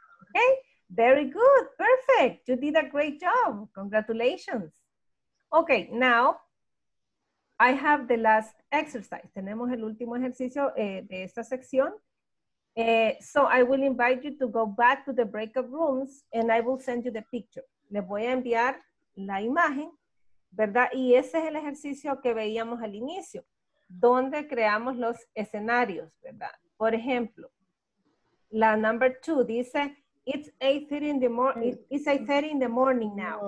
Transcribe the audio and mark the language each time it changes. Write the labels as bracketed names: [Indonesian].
[English] Okay, very good. Perfect. You did a great job. Congratulations. Okay, now I have the last exercise. [Spanish] Tenemos el último ejercicio de esta sección. [English] So I will invite you to go back to the breakout rooms and I will send you the picture. [Spanish] Les voy a enviar la imagen, ¿verdad? Y ese es el ejercicio que veíamos al inicio, donde creamos los escenarios, ¿verdad? Por ejemplo, la number two dice, [English] it's 8:30 in the morning now.